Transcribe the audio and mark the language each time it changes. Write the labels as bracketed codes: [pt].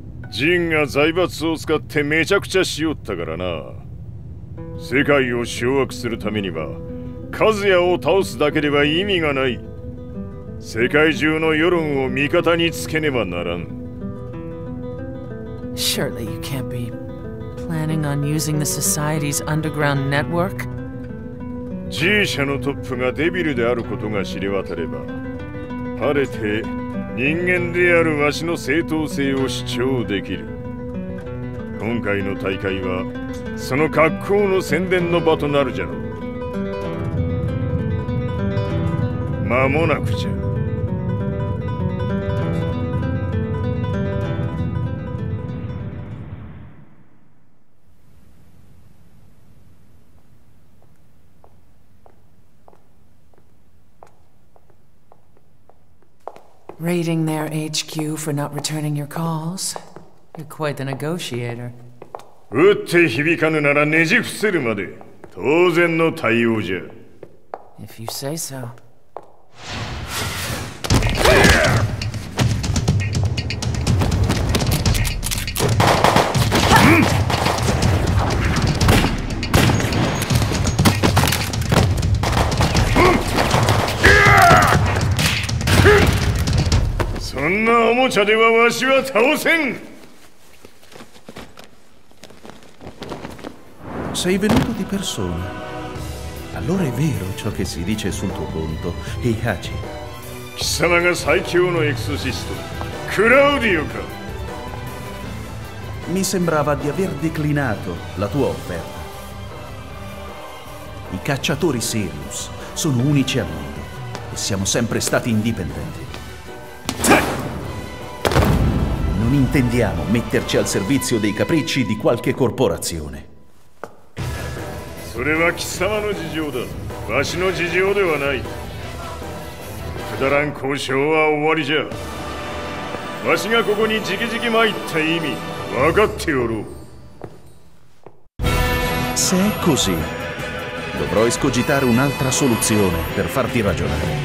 [ja] ジンが財閥を使ってめちゃくちゃしよったからな。世界を掌握するためには、カズヤを倒すだけでは意味がない。世界中の世論を味方につけねばならん。 [en] Surely you can't be planning on using the society's underground network? [ja] G 社のトップがデビルであることが知れ渡れば、晴れて、人間であるわしの正当性を主張できる。今回の大会はその格好の宣伝の場となるじゃろう。間もなくじゃ。 [en] Raiding their HQ for not returning your calls. You're quite the negotiator. [ja] 撃って響かぬならねじ伏せるまで、当然の対応じゃ。 [en] If you say so. [ja] おもちゃではわしは倒せん。 [it] Sei venuto di persona. Allora è vero ciò che si dice sul tuo conto, Heihachi. [ja] 貴様が最強のエクソシスト、クラウディオか。 [it] Mi sembrava di aver declinato la tua offerta. I cacciatori Sirius sono unici al mondo e siamo sempre stati indipendenti. Non intendiamo metterci al servizio dei capricci di qualche corporazione. [ja] それは貴様の事情だ。わしの事情ではない。くだらん交渉は終わりじゃ。わしがここにじきじき参った意味、分かっておろう。 [it] Se è così, dovrò escogitare un'altra soluzione per farti ragionare.